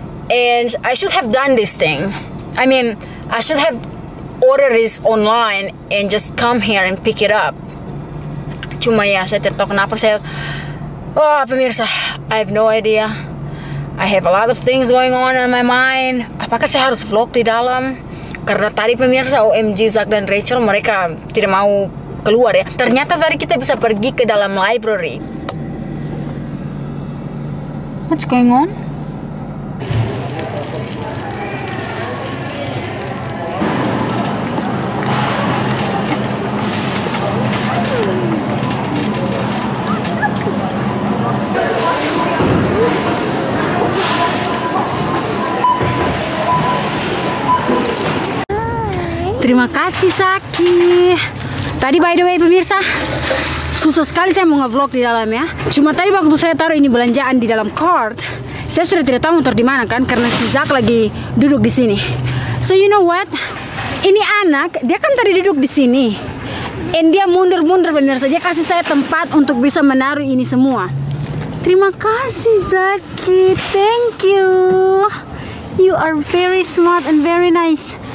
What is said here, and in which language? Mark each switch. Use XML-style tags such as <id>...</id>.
<en>And I should have done this thing. I mean, I should have ordered this online and just come here and pick it up.</en> <id>Cuma ya, saya tidak tahu kenapa saya... Oh, pemirsa,</id> <en>I have no idea. I have a lot of things going on in my mind.</en> <id>Apakah saya harus vlog di dalam? Karena tadi pemirsa, OMG Zack dan Rachel, mereka tidak mau keluar ya. Ternyata tadi kita bisa pergi ke dalam library.</id> <en>What's going on?</en> <id>Terima kasih, Saki. Tadi,</id> <en>by the way,</en> <id>pemirsa, susah sekali saya mau nge-vlog di dalam ya. Cuma tadi waktu saya taruh ini belanjaan di dalam cart, saya sudah tidak tahu motor di mana kan, karena si Zack lagi duduk di sini.</id> <en>So, you know what?</en> <id>Ini anak, dia kan tadi duduk di sini. And dia mundur-mundur, pemirsa. Dia kasih saya tempat untuk bisa menaruh ini semua. Terima kasih, Zaki.</id> <en>Thank you. You are very smart and very nice.</en>